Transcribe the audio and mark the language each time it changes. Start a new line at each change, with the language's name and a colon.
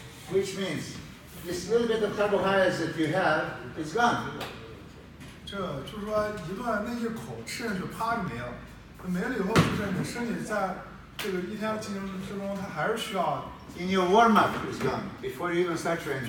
English: Which means this little bit of carbohydrates that you have is gone.
Chinese: 这就是说一段那一口吃下去啪就没了，没了以后就是你身体在这个一天进行之中，它还是需要。
English: In your warm up, it's gone before you even start training.